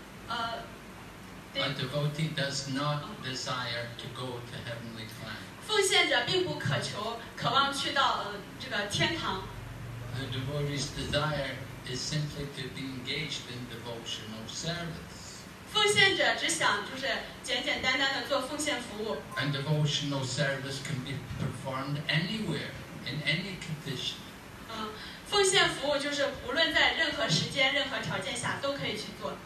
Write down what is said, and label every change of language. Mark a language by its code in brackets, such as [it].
[en] A devotee does not desire to go to heavenly planets. [zh] 奉献者并不渴望去到这个天堂。 [en] The devotee's desire is simply to be engaged in devotional service. [zh] 奉献者只想就是简简单单的做奉献服务。 [en] And devotional service can be performed anywhere, in any condition. [zh] 奉献服务就是无论在任何时间、任何条件下都可以去做。